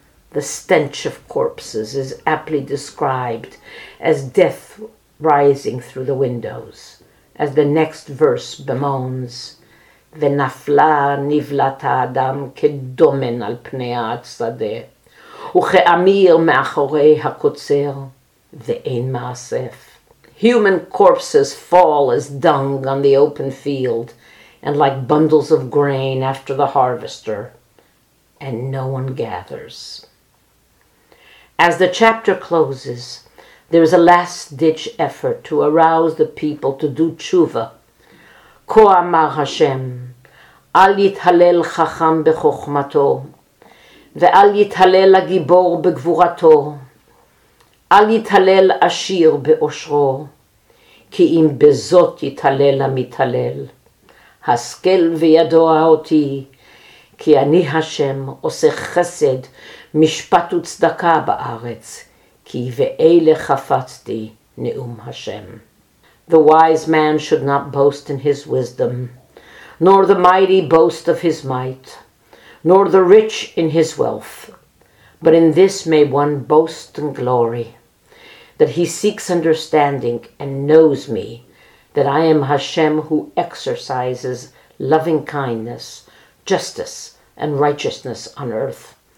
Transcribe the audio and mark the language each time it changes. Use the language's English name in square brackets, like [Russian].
[English] The stench of corpses is aptly described as death rising through the windows, as the next verse bemoans, V'nafla nivlata adam kedomen al pnei ha'atzadeh. [Hebrew] וכאמיר מאחורי הקוצר ואין מאסף. [English] Human corpses fall as dung on the open field and like bundles of grain after the harvester, and no one gathers. As the chapter closes, there is a last-ditch effort to arouse the people to do tshuva. [Hebrew] Koh amar Hashem, אל יתהלל חכם בחוכמתו, ואל יתהלל הגיבור בגבורתו, אל יתהלל עשיר באושרו, כי אם בזאת יתהלל המתהלל, השכל וידוע אותי, כי אני השם עושה חסד, משפט וצדקה בארץ, כי ואלה חפצתי נאום השם. [English] The wise man should not boast in his wisdom, nor the mighty boast of his might, nor the rich in his wealth. But in this may one boast and glory, that he seeks understanding and knows me, that I am Hashem who exercises loving kindness, justice, and righteousness on earth.